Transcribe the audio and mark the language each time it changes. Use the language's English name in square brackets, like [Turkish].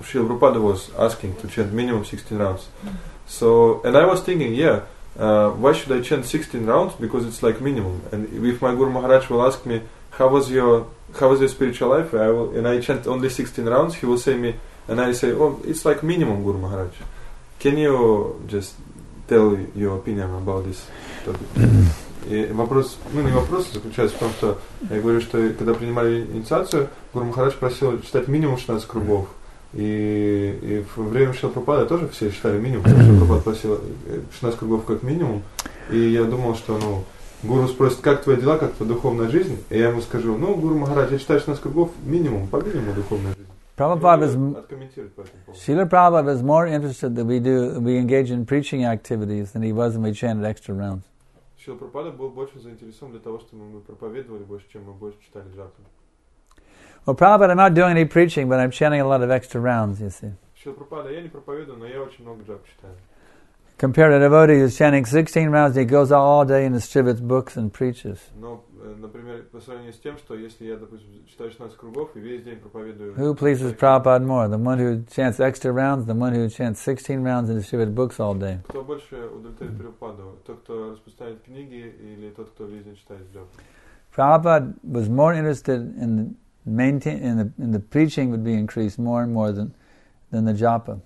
[English] Srila Prabhupada was asking to chant minimum 16 rounds. So, and I was thinking, yeah, why should I chant 16 rounds? Because it's like minimum. And if my Guru Maharaj will ask me, how was your spiritual life? I chant only 16 rounds. He will say me, and I say, oh, it's like minimum, Guru Maharaj. Can you just tell your opinion about this topic? [Russian] И вопрос, ну не вопрос, заключается в том, что я говорю, что когда принимали инициацию, Гуру Махарадж просил читать минимум 16 кругов. И в время Шрила Прабхупады тоже все считали минимум, потому что Прабхупада просил 16 кругов как минимум. И я думал, что, ну, Гуру спросит, как твои дела, как твоя духовная жизнь? И я ему скажу, ну, Гуру Махарадж, я читаю 16 кругов минимум, по минимуму духовная жизнь. [English] Srila Prabhupada was more interested that we engage in preaching activities than he was when we chanted extra rounds. [Russian] Srila Prabhupada был больше заинтересован для того, чтобы мы проповедовали больше, чем мы больше читали джапу. [English] Well, Prabhupada, I'm not doing any preaching, but I'm chanting a lot of extra rounds, you see. [Russian] Srila Prabhupada, я не проповедую, но я очень много джапу читаю. [English] Compared to a devotee who's chanting 16 rounds, he goes all day and distributes books and preaches. [Russian] Но, например, по сравнению с тем, что если я, допустим, читаю 16 кругов и весь день проповедую... [English] Who pleases Prabhupada more? The one who chants extra rounds, the one who chants 16 rounds and distributes books all day? [Russian] Кто больше удовлетворит Прабхупаду? Тот, кто распространяет книги, или тот, кто весь день читает джапу? [English] Prabhupada was more interested in the preaching would be increased more and more than the japa.